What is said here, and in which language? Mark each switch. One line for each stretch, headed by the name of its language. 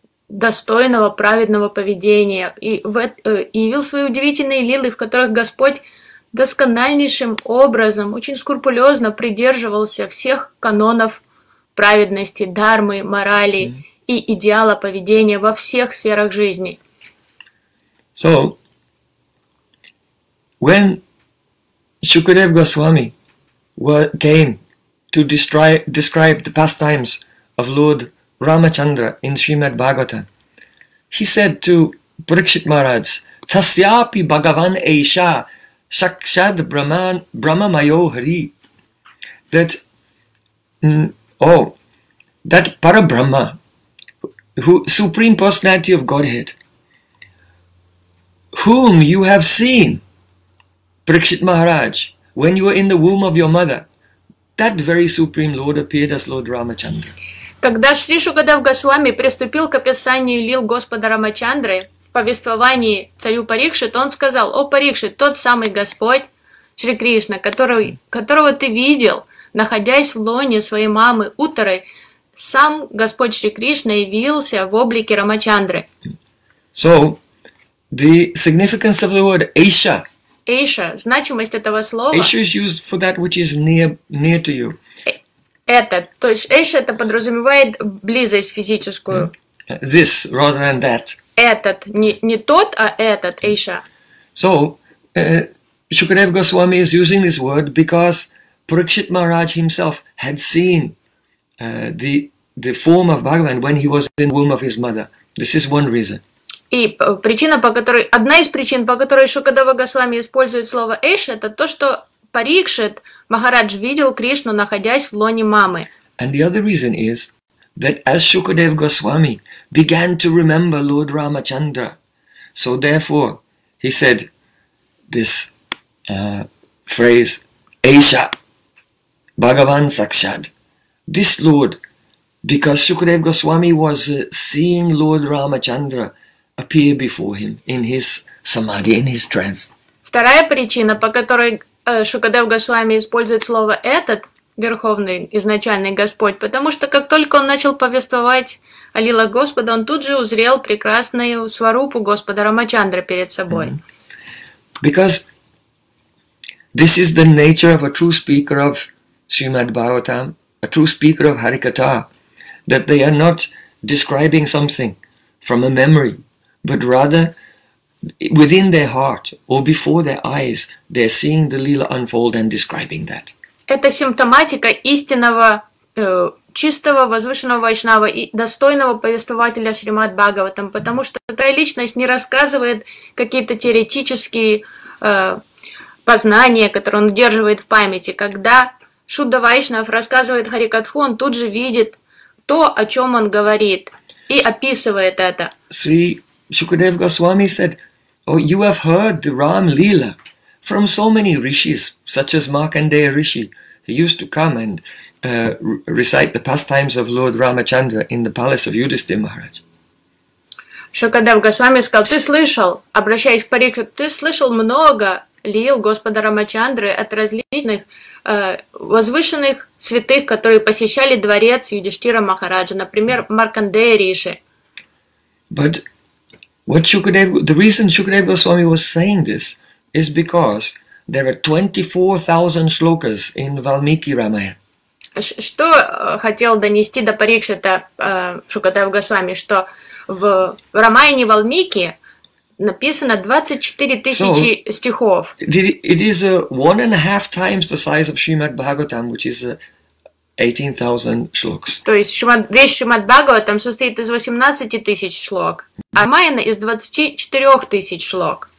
Russian: достойного праведного поведения и явил свои удивительные лилы, в которых Господь доскональнейшим образом, очень скрупулезно придерживался всех канонов праведности, дхармы, морали и идеала поведения во всех сферах жизни.
English: So, when Shukadev Goswami came to describe the pastimes of Lord Ramachandra in Srimad Bhagavatam, he said to Parikshit Maharaj,
Sanskrit: Tasyapi Bhagavan Eisha Shakshad Brahman Brahma Mayo Hari,
English: that Parabrahma, who Supreme Personality of Godhead, whom you have seen, Parikshit Maharaj, when you were in the womb of your mother, that very Supreme Lord appeared as Lord Ramachandra.
Russian: Когда Шри Шукадев Госвами приступил к описанию лил Господа Рамачандры, повествовании царю Парикшит, он сказал: «О Парикшит, тот самый Господь Шри Кришна, которого ты видел, находясь в лоне своей мамы Утары, сам Господь Шри Кришна явился в облике Рамачандры».
English: So, the significance of the word Aisha.
Russian: Aisha, значимость этого слова.
English: Aisha is used for that which is near to you.
Russian: Это, то есть Aisha это подразумевает близость физическую.
English: This rather than that.
Russian: Этот, не тот, а этот, Aisha.
English: So, Shukadev Goswami is using this word because Parikshit Maharaj himself had seen the form of Bhagavan when he was in the womb of his mother. This is one reason.
Russian: И причина, по которой, одна из причин, по которой Шукадева Госвами использует слово Aisha, это то, что Парикшит Махарадж видел Кришну, находясь в лоне мамы.
English: And the other reason is that as Shukadev Goswami began to remember Lord Ramachandra, so therefore he said this phrase, Aisha, Bhagavan Sakshad. This Lord, because Shukadev Goswami was seeing Lord Ramachandra appear before him in his samadhi, in his trance.
Russian: Вторая причина, по которой Шукадев Госвами использует слово «этот», Верховный, изначальный Господь, потому что как только он начал повествовать о лилах Господа, он тут же узрел прекрасную сварупу Господа Рамачандры перед собой.
English: Because this is the nature of a true speaker of Srimad Bhagavatam, a true speaker of Harikatha, that they are not describing something from a memory, but rather within their heart or before their eyes, they're seeing the lila unfold and describing that.
Russian: Это симптоматика истинного, чистого, возвышенного вайшнава и достойного повествователя Шримад Бхагаватам, потому что такая личность не рассказывает какие-то теоретические познания, которые он удерживает в памяти. Когда Шудда Вайшнав рассказывает Харикатху, он тут же видит то, о чем он говорит, и описывает это.
English: Sri Shukadev Goswami said, oh, you have heard the Ram Leela from so many rishis, such as Markandeya Rishi, who used to come and recite the pastimes of Lord Ramachandra in the palace of Yudhisthira Maharaj.
Russian: Shukadev Goswami сказал, ты слышал, обращаясь к Парикшит, ты слышал много лил Господа Рамачандры от различных возвышенных святых, которые посещали дворец Юдиштира Махараджа, например, Маркандея Риши.
English: But what the reason Shukadev Goswami was saying this is because there are 24,000 shlokas in Valmiki Ramayana.
Russian: Что хотел донести до Парикшита Шукадев Госвами, что в Рамаяне Валмики написано 24,000 стихов.
English: It is one and a half times the size of Srimad Bhagavatam, which is 18,000 shlokas.
Russian: То есть весь Шримад Бхагаватам состоит из 18,000 шлок, а Рамаяна из 24,000 шлок.